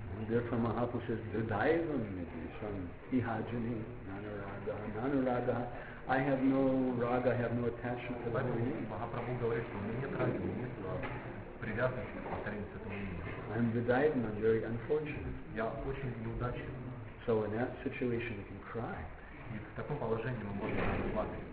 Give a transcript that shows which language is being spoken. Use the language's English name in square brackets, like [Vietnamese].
[English] Therefore Mahaprabhu says, [Sanskrit] Dudaivam Nidhi, Sam Ihajani, Nanuraga. [English] I have no raga, I have no attachment to that. [Russian] Mahaprabhu говорит, что у меня нет раги, нет привязанности к повторению святого имени. [English] I'm Vidaivam, I'm very unfortunate. [Russian] Я очень неудачен. [English] So in that situation we can cry. [Russian] И в таком положении мы можем плакать.